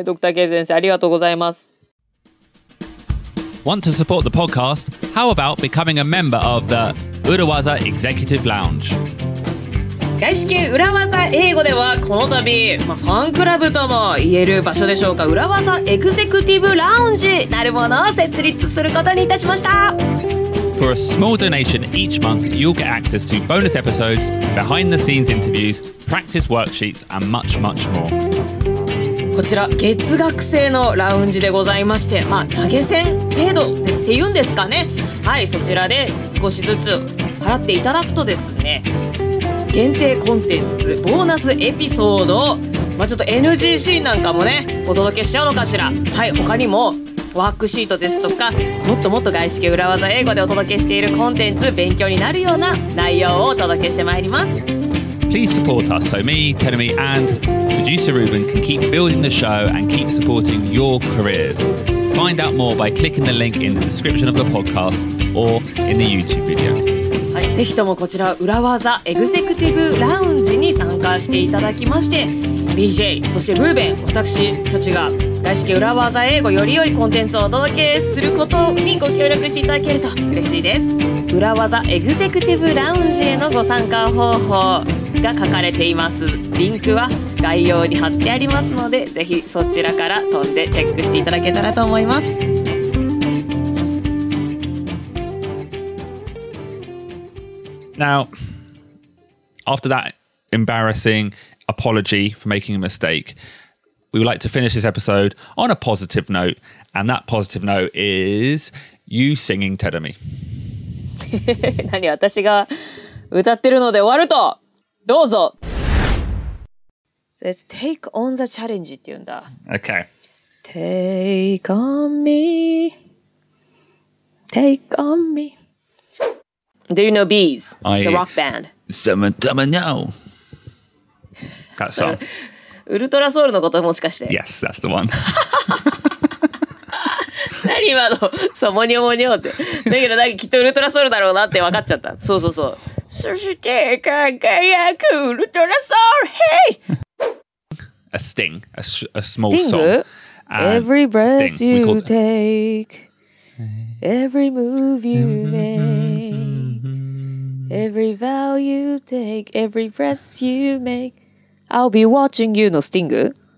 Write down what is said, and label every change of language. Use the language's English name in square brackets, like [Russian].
[Japanese] ルーベンさえもすり抜けてた間違いをドクター K先生が最後拾い上げてくれるというね。ドクター K先生ありがとうございます。 [English] Want to support the podcast? How about becoming a member of the Urawaza Executive Lounge? [Japanese] 外資系裏技英語ではこの度、ファンクラブとも言える場所でしょうか、裏技エグゼクティブラウンジなるものを設立することにいたしました。 [English] For a small donation each month, you'll get access to bonus episodes, behind the scenes interviews, practice worksheets, and much, much more. [Japanese] こちら月額制のラウンジでございまして、投げ銭制度って言うんですかね。はい、そちらで少しずつ払っていただくとですね、限定コンテンツ、ボーナスエピソード、ちょっと NG シーンなんかもね、お届けしちゃうのかしら。はい、他にもワークシートですとか、もっともっと外資系裏技英語でお届けしているコンテンツ、勉強になるような内容をお届けしてまいります。 [English] Please support us so me, Kenemi, and producer Ruben can keep building the show and keep supporting your careers. Find out more by clicking the link in the description of the podcast or in the YouTube video. [Japanese] ぜひともこちら裏技エグゼクティブラウンジに参加していただきまして、 BJ そしてルーベン、私たちが外資系裏技英語より良いコンテンツをお届けすることにご協力していただけると嬉しいです。裏技エグゼクティブラウンジへのご参加方法が書かれています。リンクは概要に貼ってありますので、ぜひそちらから飛んでチェックしていただけたらと思います。 [English] Now, after that embarrassing apology for making a mistake, we would like to finish this episode on a positive note. And that positive note is you singing Tedemi. [Japanese] 何、私が歌ってるので終わるとどうぞ。 [English] So it's take on the challenge [Japanese] って言うんだ。 [English] Okay. Take on me. Take on me. Do you know Bees? It's a rock band. Sometimes I know. That song. [Japanese] Ultra Soul のこと、もしかして。 [English] Yes, that's the one. [Japanese] 何今の、そう、モニョモニョって。だけど、なんかきっとウルトラソウルだろうなって分かっちゃった。そうそうそう。そして、輝くウルトラソウル、Hey! [English] A sting, a small sting? Song. Every breath sting, you take, every move you make. Every vow you take, every breath you make, I'll be watching you のスティング。